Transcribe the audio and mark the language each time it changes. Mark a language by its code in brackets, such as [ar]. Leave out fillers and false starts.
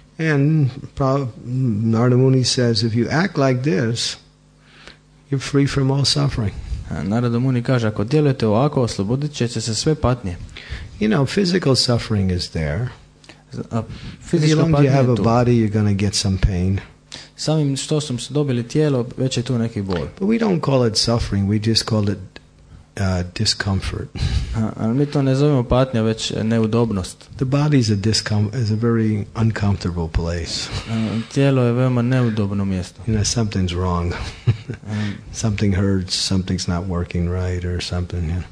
[en] And Narada Muni says, if you act like this, you're free from all suffering. [bs] Narada Muni kaže, ako djelujete ovako, oslobodit ćete se sve patnje. [en] You know, physical suffering is there. [bs] Fizička patnja je tu. [en] If you have a body, you're going to get some pain. [bs] Samim što sam dobili tijelo, već je tu neki bol. [en] But we don't call it suffering, we just call it discomfort. [bs] Mi to ne zovemo patnja, već neudobnost. [en] The body is a very uncomfortable place. [bs] Tijelo je veoma neudobno mjesto. [en] You know, something's wrong. Something hurts, something's not working right or something.